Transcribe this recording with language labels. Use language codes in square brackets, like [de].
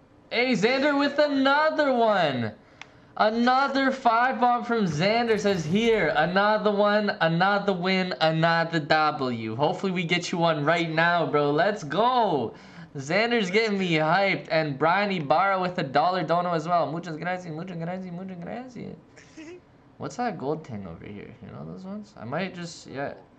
[en] Hey, Xander with another one! Another 5-bomb from Xander says, here, another one, another win, another W. Hopefully we get you one right now, bro. Let's go. Xander's getting me hyped. And Brian Ibarra with a dollar dono as well. [es] Muchas gracias, muchas gracias, muchas gracias. [en] What's that gold thing over here? You know those ones? I might just, yeah.